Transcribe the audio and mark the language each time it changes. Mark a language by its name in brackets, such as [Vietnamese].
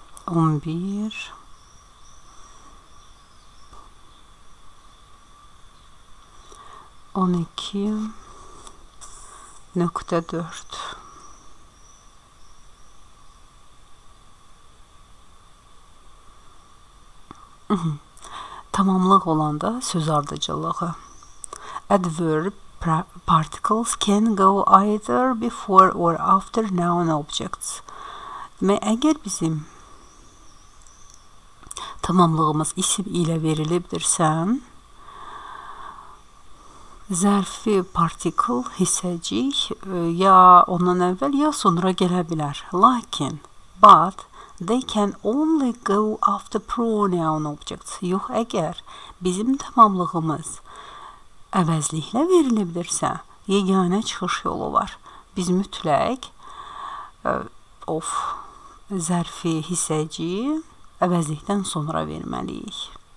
[Azerbaijani] 11 12.4 Tamamlıq olanda söz ardıcılığı. [English] Adverb particles can go either before or after noun objects. [Azerbaijani] Əgər bizim tamamlığımız isim ilə verilibdirsə, Zərfi partikl, hissəcik ya ondan əvvəl ya sonra gələ bilər. [English] Lakin, but, they can only go after pronoun objects. [Azerbaijani] Yox, əgər bizim tamamlığımız əvəzliklə verilibdirsə, yeganə çıxış yolu var. Biz mütləq zərfi hissəcik əvəzlikdən sonra verməliyik.